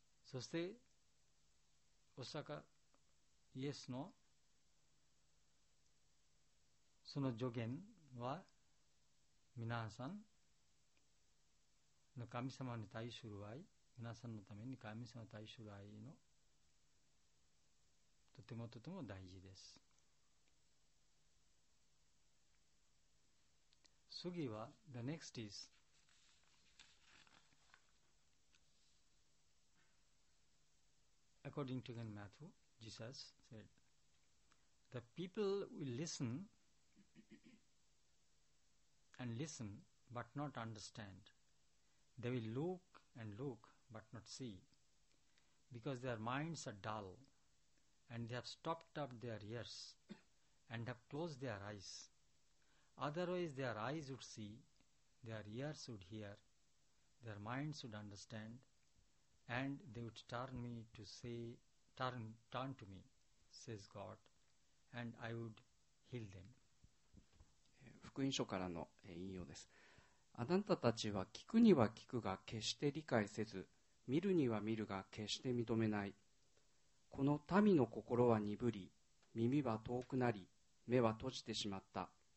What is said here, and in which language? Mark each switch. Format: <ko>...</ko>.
<ja>そしてお釈迦イエスのその助言は皆さんの神様に対する愛、皆さんのために神様に対する愛のとてもとても大事です。次は</ja> <en>The next is According to Matthew, Jesus said, The people will listenAnd listen, but not understand. They will look and look, but not see, because their minds are dull, and they have stopped up their ears, and have closed their eyes. Otherwise, their eyes would see, their ears would hear, their minds would understand, and they would turn to me, says God, and I would heal them.</en> <ja>福音書からの引用です。あなたたちは聞くには聞くが決して理解せず、見るには見るが決して認めない。この民の心は鈍り、耳は遠くなり、目は閉じてしまった。</ja>